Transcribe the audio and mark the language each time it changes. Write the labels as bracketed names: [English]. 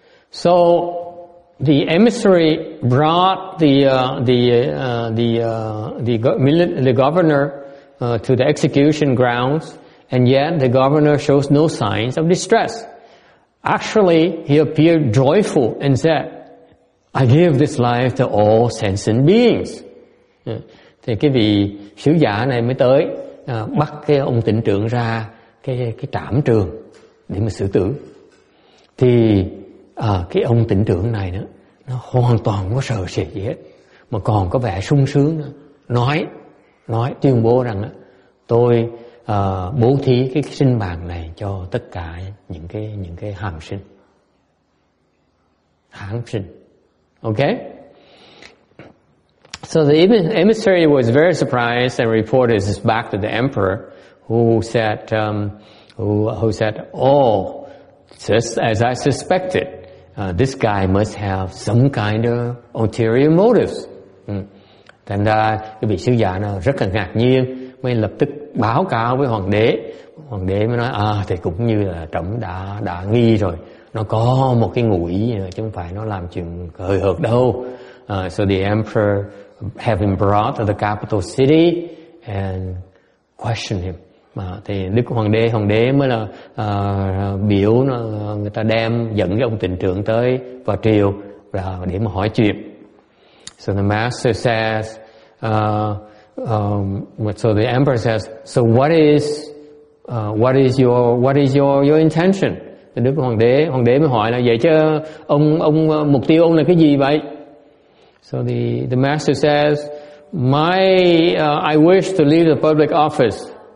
[English] So the emissary brought the governor to the execution grounds, and yet the governor shows no signs of distress. Actually, he appeared joyful and said, "I give this life to all sentient beings." [Vietnamese] Thì cái vị sứ giả này mới tới bắt cái ông tỉnh trưởng ra cái trảm trường để mà xử tử. Thì cái ông tỉnh trưởng này đó, nó hoàn toàn không có sợ sệt gì hết, mà còn có vẻ sung sướng nữa. Nói tuyên bố rằng đó, tôi bố thí cái sinh mạng này cho tất cả những cái hàng sinh. [English] Okay. So the emissary was very surprised and reported this back to the emperor, who said, "Oh, just as I suspected, this guy must have some kind of ulterior motives." [Vietnamese] Thành ra cái vị sứ giả nó rất là ngạc nhiên, mới lập tức báo cáo với hoàng đế. Hoàng đế mới nói, thì cũng như là trẫm đã nghi rồi, nó có một cái ngụ ý, chứ không phải nó làm chuyện hời hợt đâu. [English] So the emperor have him brought to the capital city and question him. [Vietnamese] Thì Đức Hoàng đế mới là biểu người ta đem dẫn cái ông tỉnh trưởng tới vào triều để mà hỏi chuyện. [English] So the master says, so the emperor says, "So what is your intention?" [Vietnamese] Thì Đức Hoàng đế mới hỏi là, "Vậy chứ ông mục tiêu ông là cái gì vậy?" [English] So the master says, I wish to leave the public office.